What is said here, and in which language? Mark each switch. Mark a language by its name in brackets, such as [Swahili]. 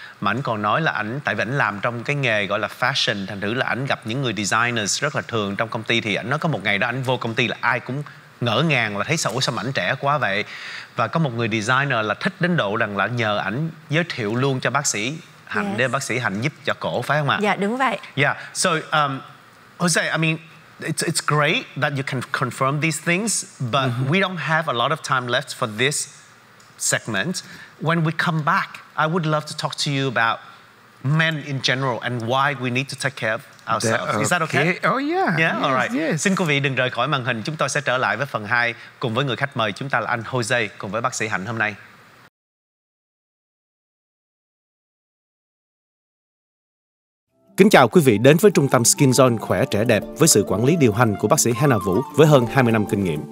[Vietnamese] Mà anh còn nói là anh, tại vì anh làm trong cái nghề gọi là fashion, thành thử là anh gặp những người designers rất là thường trong công ty. Thì anh nói có một ngày đó anh vô công ty là ai cũng ngỡ ngàng là thấy sao mà anh trẻ quá vậy. Và có một người designer là thích đến độ rằng là nhờ anh giới thiệu luôn cho bác sĩ Hạnh. Yes. Để bác sĩ Hạnh giúp cho cổ, phải không ạ? Dạ đúng vậy. [English] Yeah, so Jose, I mean it's great that you can confirm these things, but we don't have a lot of time left for this segment. When we come back, I would love to talk to you about men in general and why we need to take care of ourselves. That, okay. Is that okay? Oh yeah. Yeah, yes, all right. Yes. [Vietnamese] Xin quý vị đừng rời khỏi màn hình. Chúng tôi sẽ trở lại với phần 2 cùng với người khách mời, chúng ta là anh Jose cùng với bác sĩ Hạnh hôm nay. Kính chào quý vị đến với trung tâm Skin Zone khỏe trẻ đẹp với sự quản lý điều hành của bác sĩ Hannah Vũ với hơn 20 năm kinh nghiệm.